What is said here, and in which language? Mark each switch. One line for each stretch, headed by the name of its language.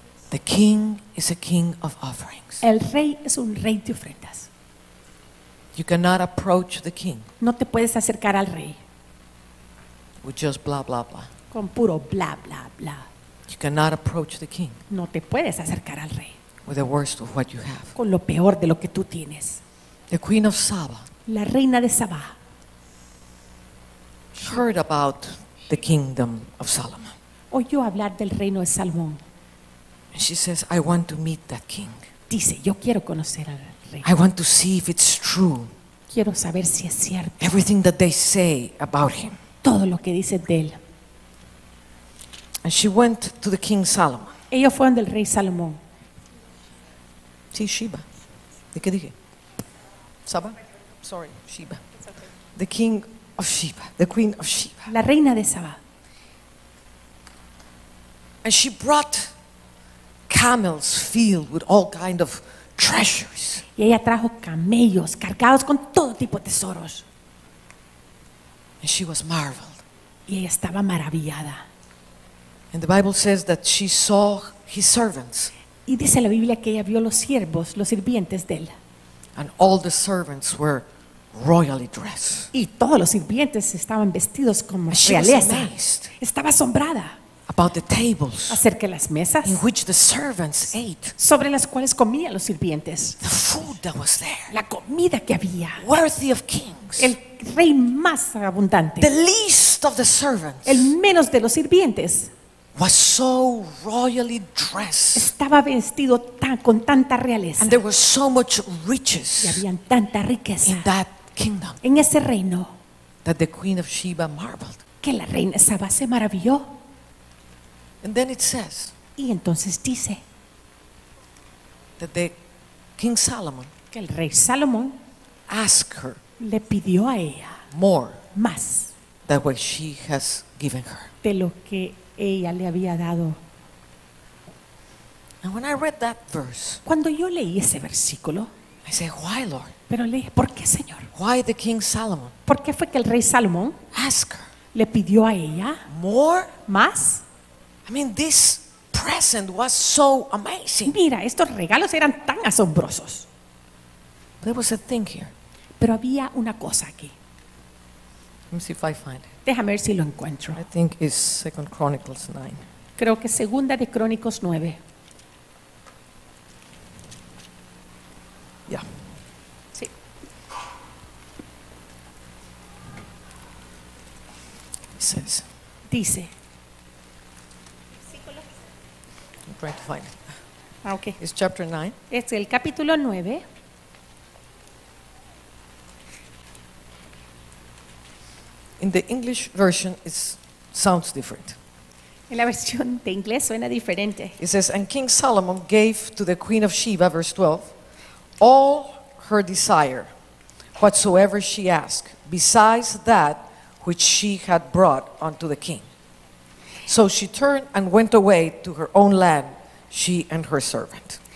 English: The king is a king of offerings.
Spanish: El rey es un rey de ofrendas.
English: You cannot approach the king.
Spanish: No te puedes acercar al rey.
English: With just blah blah blah.
Spanish: Con puro bla bla bla.
English: You cannot approach the king.
Spanish: No te puedes acercar al rey.
English: With the worst of what you have.
Spanish: Con lo peor de lo que tú tienes.
English: The queen of Saba.
Spanish: La reina de Saba.
English: Heard about the kingdom of Solomon.
Spanish: Oyó hablar del reino de Salomón.
English: She says, I want to meet that king.
Spanish: Dice, yo quiero conocer al rey.
English: I want to see if it's true.
Spanish: Quiero saber si es cierto.
English: Everything that they say about him.
Spanish: Todo lo que dicen de él.
English: And she went to the king Solomon.
Spanish: Ella fue donde el rey Salomón. Sí, Sheba. ¿De qué dije? Saba. Sorry, Sheba.
English: Okay. The king of Sheba, the queen of Sheba.
Spanish: La reina de Saba.
English: And she brought camels filled with all kind of treasures.
Spanish: Y ella trajo camellos cargados con todo tipo de tesoros.
English: And she was marveled.
Spanish: Y ella estaba maravillada.
English: And the Bible says that she saw his servants.
Spanish: Y dice la Biblia que ella vio los siervos, los sirvientes de él.
English: And all the servants were royally dressed.
Spanish: Y todos los sirvientes estaban vestidos como realeza. Estaba asombrada.
English: About the tables,
Spanish: acerca de las mesas,
English: in which the servants ate,
Spanish: sobre las cuales comían los sirvientes,
English: the food that was there,
Spanish: la comida que había,
English: worthy of kings,
Spanish: el rey más abundante,
English: the least of the servants,
Spanish: el menos de los sirvientes,
English: was so royally dressed,
Spanish: estaba vestido con tanta realeza,
English: and there was so much riches,
Spanish: y había tanta riqueza,
English: in that kingdom,
Spanish: en ese reino,
English: that the queen of Sheba marveled,
Spanish: que la reina Saba se maravilló.
English: And then it says,
Spanish: y entonces dice
English: that the King Solomon,
Spanish: que el rey Salomón,
English: asked her,
Spanish: le pidió a ella
English: more,
Spanish: más,
English: than what she has given her,
Spanish: de lo que ella le había dado.
English: And when I read that verse,
Spanish: cuando yo leí ese versículo,
English: I said, why, Lord?
Spanish: Pero le dije, ¿por qué, Señor?
English: Why the King Solomon?
Spanish: ¿Por qué fue que el rey Salomón
English: asked her,
Spanish: le pidió a ella
English: more,
Spanish: más?
English: I mean, this present was so amazing.
Spanish: Mira, estos regalos eran tan asombrosos.
English: There was a thing here.
Spanish: Pero había una cosa aquí.
English: Let me see if I find it.
Spanish: Déjame ver si lo encuentro.
English: I think it's 2 Chronicles 9.
Spanish: Creo que Segunda de Crónicos 9.
English: Yeah.
Spanish: Sí.
English: It says.
Spanish: Dice.
English: I'm trying to find it. Okay. It's chapter 9.
Spanish: Es el capítulo 9.
English: In the English version, it sounds different.
Spanish: En la versión de inglés suena diferente.
English: It says, and King Solomon gave to the queen of Sheba, verse 12, all her desire, whatsoever she asked, besides that which she had brought unto the king. So she turned and went away to her own land, she and her servant.